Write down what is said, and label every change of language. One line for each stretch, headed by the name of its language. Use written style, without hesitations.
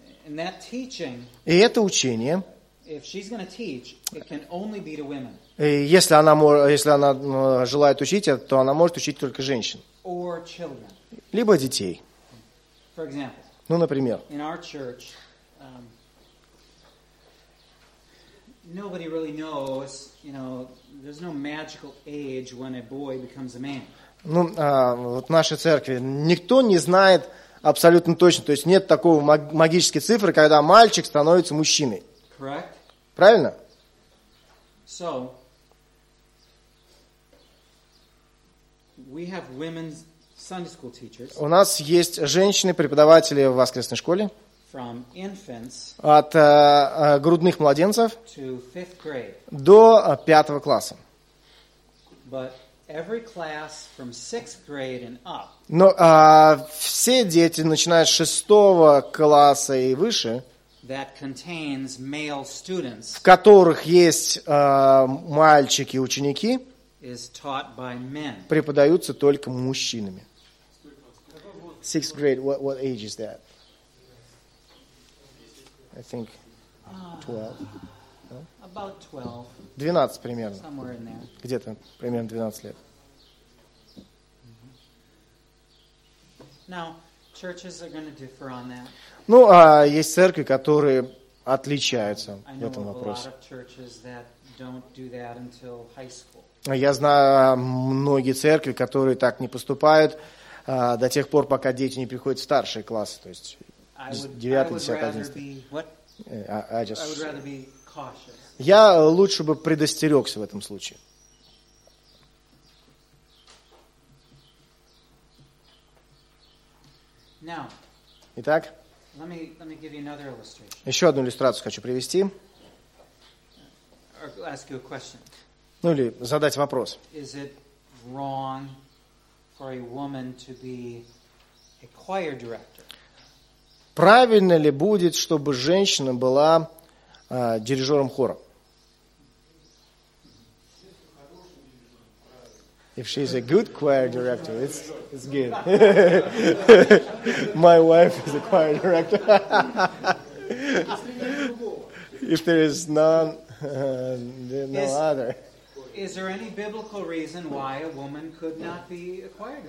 Russian: И это учение, если она желает учить это, то она может учить только женщин.
English: Or children.
Russian: Либо детей.
English: For example,
Russian: ну, например.
English: In our church, nobody really knows, you know, there's no magical age when a boy becomes a man.
Russian: Ну, вот в нашей церкви никто не знает абсолютно точно, то есть нет такого магической цифры, когда мальчик становится мужчиной.
English: Correct?
Russian: Правильно?
English: So, we have women's Sunday school teachers.
Russian: У нас есть женщины-преподаватели в воскресной школе.
English: From infants
Russian: от грудных младенцев
English: to fifth grade.
Russian: До пятого класса.
English: But every class from sixth grade and up.
Russian: Но все дети, начиная с шестого класса и выше,
English: that contains male students,
Russian: в которых есть мальчики-ученики,
English: is taught by men.
Russian: Преподаются только мужчинами.
English: Sixth grade, what age is that? I think 12. About 12.
Russian: 12 примерно.
English: Somewhere in there.
Russian: Где-то примерно 12 лет.
English: Now, churches are going to differ on that.
Russian: Ну, а есть церкви, которые отличаются в этом вопросе.
English: I know of a lot of churches that don't do that until high school.
Russian: Я знаю многие церкви, которые так не поступают до тех пор, пока дети не приходят в старшие классы, то есть 9-10-11. Я лучше бы предостерегся в этом случае.
English: Now,
Russian: итак,
English: let me give you another illustration.
Russian: Еще одну иллюстрацию хочу привести.
English: Ask you a question.
Russian: Ну или задать вопрос.
English: Is it wrong for a woman to be a choir director?
Russian: Правильно ли будет, чтобы женщина была дирижером хора?
English: If she's a good choir director, it's good. My wife is a choir director. if there is none, then no other. Is there any biblical reason why a woman could not be a choir girl?